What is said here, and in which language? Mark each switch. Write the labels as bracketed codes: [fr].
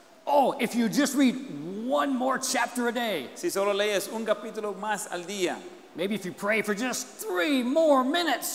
[en] Oh, if you just read one more chapter a day. [es] Si solo lees un capítulo más al día. [en] Maybe if you pray for just 3 more minutes.